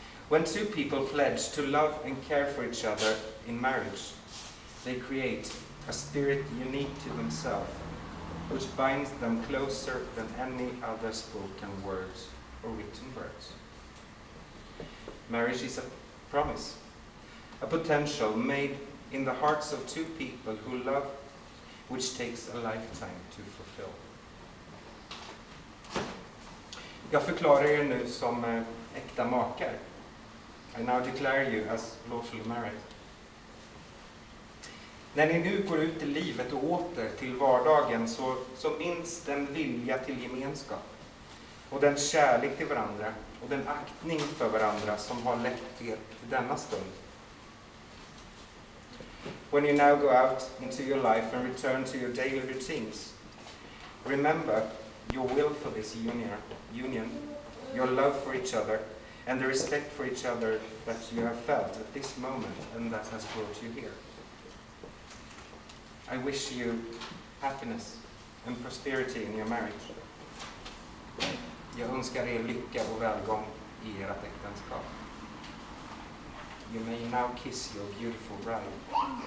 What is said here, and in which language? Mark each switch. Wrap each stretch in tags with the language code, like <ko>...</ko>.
<en>When two people pledge to love and care for each other in marriage, they create a spirit unique to themselves, which binds them closer than any other spoken words or written words. Marriage is a promise, a potential made in the hearts of two people who love, which takes a lifetime to fulfill.</en> <sv>Jag förklarar er nu som äkta makar.</sv> <en>I now declare you as lawfully married.</en> <sv>När ni nu går ut i livet och åter till vardagen så minns den vilja till gemenskap och den kärlek till varandra och den aktning för varandra som har lett er till denna stund.</sv> <en>When you now go out into your life and return to your daily routines, remember your will for this union, your love for each other and the respect for each other that you have felt at this moment and that has brought you here. I wish you happiness and prosperity in your marriage.</en> <sv>Jag önskar er lycka och välgång i ert äktenskap.</sv> <en>You may now kiss your beautiful bride.</en>